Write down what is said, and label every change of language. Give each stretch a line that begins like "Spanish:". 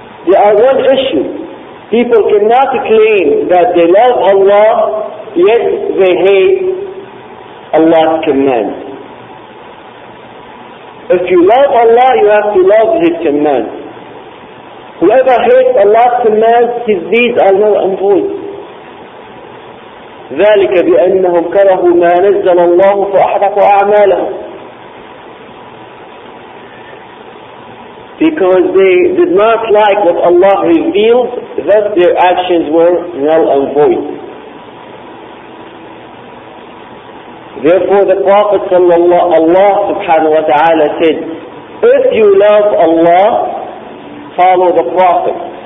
English: There are one issue. People cannot claim that they love Allah, yet they hate Allah's commands. If you love Allah, you have to love His commands. Whoever hates Allah's commands, his deeds are null and void.
Arabic: ذلك بأنهم كرهوا ما نزل الله فأحبط أعمالهم.
English: Because they did not like what Allah revealed, thus their actions were null and void. Therefore the Prophet
Arabic: صلى الله عليه وسلم
English: said, if you love Allah, follow the Prophet.